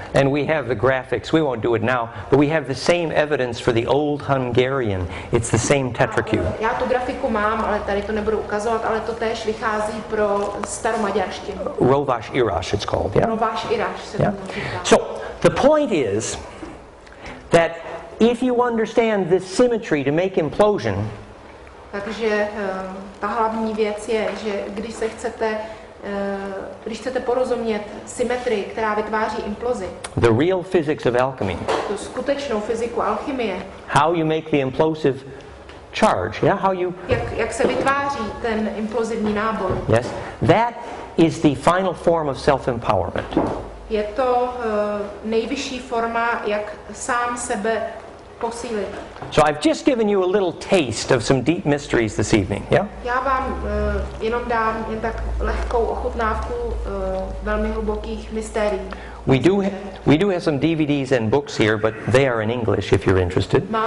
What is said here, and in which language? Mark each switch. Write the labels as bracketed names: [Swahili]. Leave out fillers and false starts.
[English] And we have the graphics. We won't do it now, but we have the same evidence for the old Hungarian. It's the same tetracube. [Czech] Já tu grafiku mám, ale tady to nebudu ukazovat, ale to též vychází pro staromaďarštinu. [English] Rováš Iráš, it's called, yeah? [Czech] Rováš Iráš se [English] yeah. So, the point is that if you understand this symmetry to make implosion, [Czech] takže ta hlavní věc je, že když se chcete když chcete porozumět symetrii, která vytváří implozi. [English] The real physics of alchemy. [Czech] Tu skutečnou fyziku alchymie. [English] How you make the implosive charge? Yeah, how you. [Czech] Jak se vytváří ten implozivní nábor? [English] Yes, that is the final form of self-empowerment. [Czech] Je to nejvyšší forma, jak sám sebe posílit. [English] So I've just given you a little taste of some deep mysteries this evening, yeah? [Czech] Já vám jenom dám jen tak lehkou ochutnávku velmi hlubokých mysterií. [English] We do have some DVDs and books here, but they are in English if you're interested.